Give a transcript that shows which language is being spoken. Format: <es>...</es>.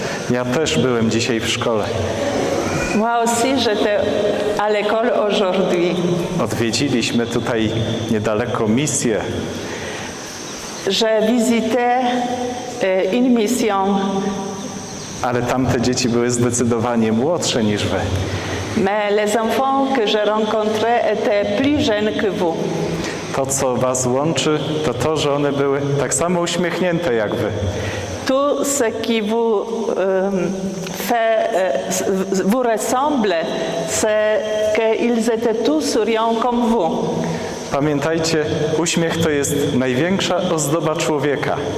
<pl>Ja też byłem dzisiaj w szkole.</pl> <fr>Moi aussi j'étais à l'école aujourd'hui.</fr> <pl>Odwiedziliśmy tutaj niedaleko misję.</pl> <fr>Je visitais une mission.</fr> <pl>Ale tamte dzieci były zdecydowanie młodsze niż wy.</pl> <fr>Mais les enfants que je rencontrais étaient plus jeunes que vous.</fr> <pl>To, co was łączy, to to, że one były tak samo uśmiechnięte jak wy.</pl> <fr>Tout ce qui vous fait vous ressemble, c'est qu'ils étaient tous souriants comme vous.</fr> <pl>Pamiętajcie, uśmiech to jest największa ozdoba człowieka.</pl>